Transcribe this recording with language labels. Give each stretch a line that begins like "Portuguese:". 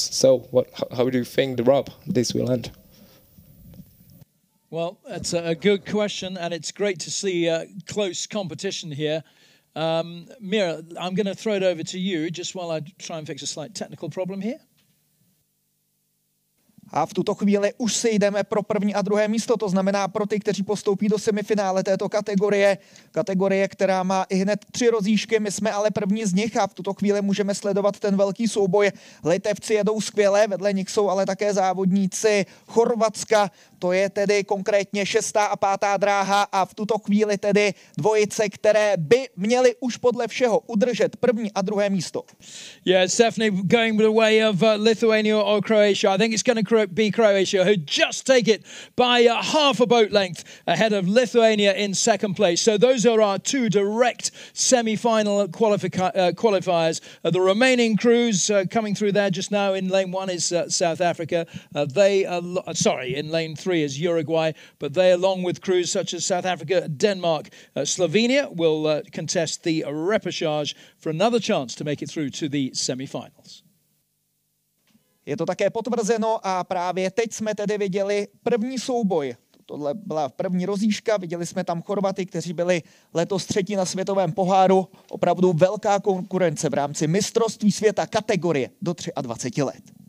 English: So how do you think, Rob, this will end? Well, that's a good question, and it's great to see close competition here. Mira, I'm going to throw it over to you just while I try and fix a slight technical problem here.
Czech: A v tuto chvíli už se jdeme pro první a druhé místo, to znamená pro ty, kteří postoupí do semifinále této kategorie. Kategorie, která má i hned tři rozíšky, my jsme ale první z nich a v tuto chvíli můžeme sledovat ten velký souboj. Litevci jedou skvěle, vedle nich jsou ale také závodníci Chorvatska. To je tedy konkrétně šestá a pátá dráha a v tuto chvíli tedy dvojice, které by měly už podle všeho udržet první a druhé místo.
English: Yeah, it's definitely going the way of Lithuania or Croatia. I think it's going to be Croatia who just take it by half a boat length ahead of Lithuania in second place. So those are our two direct semi-final qualifiers. The remaining crews coming through there just now in lane one is South Africa. In lane three is Uruguay, but they, along with crews such as South Africa, Denmark, Slovenia, will contest the repechage for another chance to make it through to the semifinals.
Czech: Je to také potvrzeno a právě teď jsme tedy viděli první souboj. Tohle byla první rozíška, viděli jsme tam Chorvaty, kteří byli letos třetí na světovém poháru. Opravdu velká konkurence v rámci mistrovství světa kategorie do 23 let.